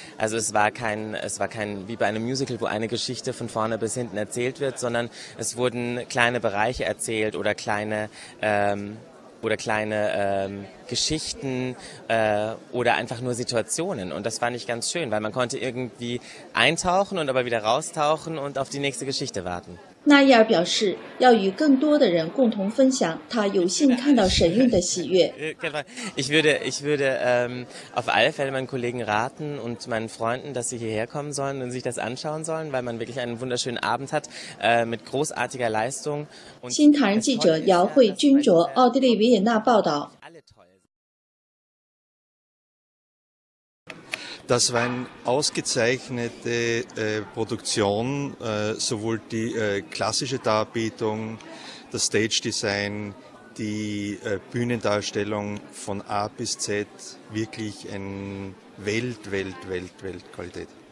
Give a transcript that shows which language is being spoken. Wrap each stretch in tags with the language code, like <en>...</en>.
<de>Also es war kein wie bei einem Musical, wo eine Geschichte von vorne bis hinten erzählt wird, sondern es wurden kleine Bereiche erzählt oder kleine Geschichten oder einfach nur Situationen. Und das fand ich ganz schön, weil man konnte irgendwie eintauchen und aber wieder raustauchen und auf die nächste Geschichte warten.</de> <zh>纳伊尔表示，要与更多的人共同分享他有幸看到神韵的喜悦。</zh> <de>Ich würde auf alle Fälle meinen Kollegen raten und meinen Freunden, dass sie hierher kommen sollen und sich das anschauen sollen, weil man wirklich einen wunderschönen Abend hat mit großartiger Leistung.</de> <zh>新唐人记者姚慧君卓，奥地利维也纳报道。</zh> <de>Das war eine ausgezeichnete Produktion, sowohl die klassische Darbietung, das Stage Design, die Bühnendarstellung von A bis Z, wirklich eine Weltqualität.</de>